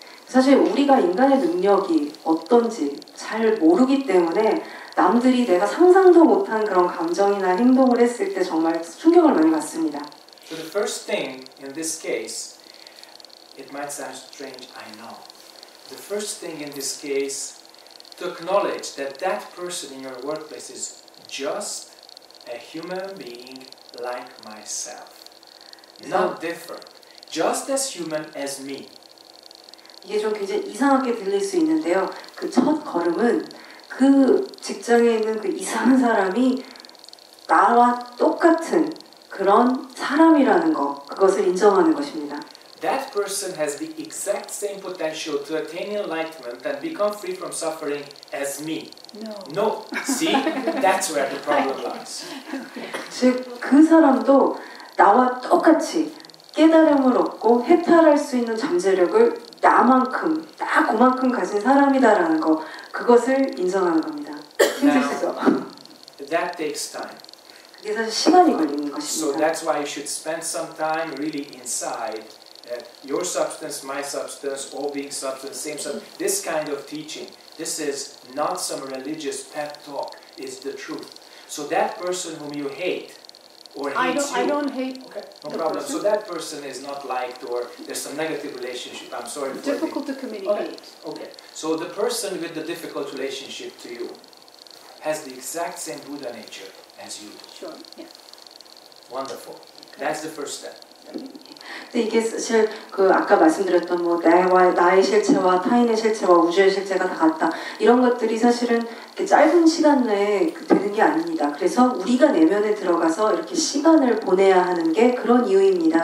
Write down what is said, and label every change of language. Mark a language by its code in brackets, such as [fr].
[ko] 사실 우리가 인간의 능력이 어떤지 잘 모르기 때문에 남들이 내가 상상도 못한 그런 감정이나 행동을 했을 때 정말 충격을 많이 받습니다. [en] So the first thing in this case, it might sound strange, I know. The first thing in this case, to acknowledge that that person in your workplace is just a human being like myself. Not different. Just as human as me. [ko] 이게 좀 굉장히 이상하게 들릴 수 있는데요. 그 첫 걸음은 그 직장에 있는 그 이상한 사람이 나와 똑같은 그런 사람이라는 거, 그것을 인정하는 것입니다. [en] That person has the exact same potential to attain enlightenment and become free from suffering as me. No. No. See? That's where the problem lies. [ko] 즉, 그 사람도 나와 똑같이 깨달음을 얻고 해탈할 수 있는 잠재력을 나만큼 딱 그만큼 가진 사람이다라는 거 그것을 인정하는 겁니다. 힘드시죠? [en] That takes time. [ko] 그게 사실 시간이 걸리는 것입니다. [en] So that's why you should spend some time really inside your substance, my substance, all being substance, same substance. This kind of teaching, this is not some religious pep talk. It's the truth. So that person whom you hate. Or hates I don't hate. Okay, no problem. Person. So that person is not liked, or there's some negative relationship. I'm sorry. Difficult to communicate. Okay. So the person with the difficult relationship to you has the exact same Buddha nature as you. Sure. Yeah. Wonderful. That's the first step. [ko] 네, 이게 사실 그 아까 말씀드렸던 뭐 나와 나의 실체와 타인의 실체와 우주의 실체가 다 같다 이런 것들이 사실은 이렇게 짧은 시간 내에 되는 게 아닙니다. 그래서 우리가 내면에 들어가서 이렇게 시간을 보내야 하는 게 그런 이유입니다.